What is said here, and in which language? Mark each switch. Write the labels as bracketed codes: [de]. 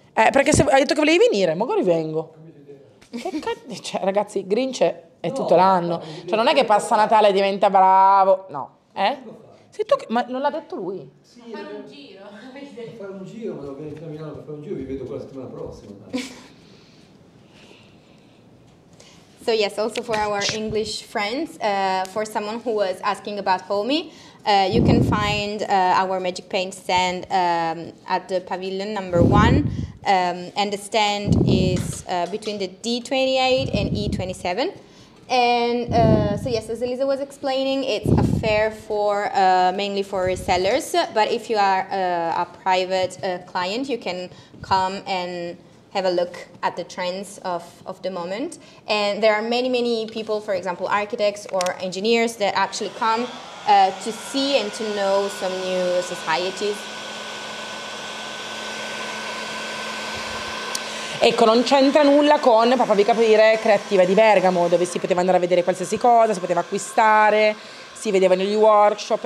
[it] Perché se hai detto che volevi venire, magari vengo. Cioè, ragazzi, Grinch è tutto l'anno, cioè non è che passa Natale e diventa bravo, no, eh? Tu che... Ma non l'ha detto lui? Sì, fare un giro. Fare un giro, vado bene a Milano per fare un giro, vi vedo quella settimana prossima. [en] So yes, also for our English friends, for someone who was asking about Homi, you can find our Magic Paint stand at the pavilion number 1, and the stand is between the D28 and E27. And so yes, as Elisa was explaining, it's a fair for mainly for resellers, but if you are a private client, you can come and have a look at the trends of the moment. And there are many, many people, for example, architects or engineers that actually come to see and to know some new societies. [it] Ecco, non c'entra nulla con, per farvi capire, Creativa di Bergamo, dove si poteva andare a vedere qualsiasi cosa, si poteva acquistare, si vedevano gli workshop.